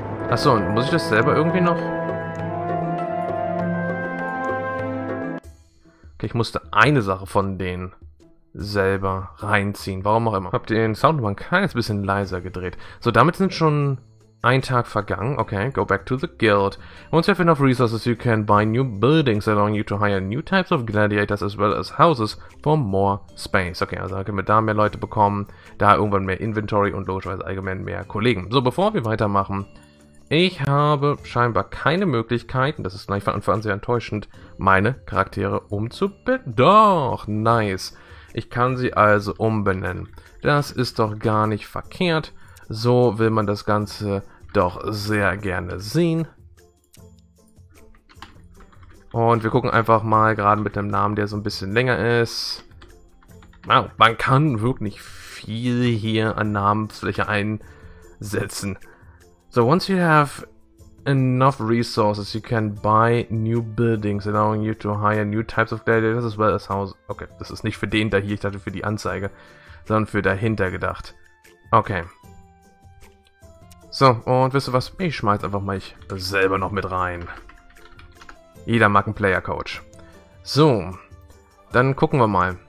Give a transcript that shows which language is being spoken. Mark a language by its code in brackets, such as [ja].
[de] Achso, und muss ich das selber irgendwie noch? Okay, ich musste eine Sache von denen selber reinziehen. Warum auch immer. Hab den Sound mal ein kleines bisschen leiser gedreht. So, damit sind schon ein Tag vergangen. Okay, [en] go back to the guild. Once you have enough resources, you can buy new buildings, allowing you to hire new types of gladiators as well as houses for more space. [de] Okay, also können wir da mehr Leute bekommen, da irgendwann mehr Inventory und logischerweise allgemein mehr Kollegen. So, bevor wir weitermachen, ich habe scheinbar keine Möglichkeiten, das ist gleich von Anfang an sehr enttäuschend, meine Charaktere umzubenennen. Doch, nice. Ich kann sie also umbenennen. Das ist doch gar nicht verkehrt. So will man das Ganze doch sehr gerne sehen. Und wir gucken einfach mal, gerade mit einem Namen, der so ein bisschen länger ist. Wow, man kann wirklich viel hier an Namensfläche einsetzen. [en] So, once you have enough resources, you can buy new buildings, allowing you to hire new types of gladiators as well as houses. [de] Okay, das ist nicht für den da hier, ich dachte für die Anzeige, sondern für dahinter gedacht. Okay. So, und wisst ihr was? Ich schmeiß einfach mal ich selber noch mit rein. Jeder mag einen Player-Coach. So, dann gucken wir mal.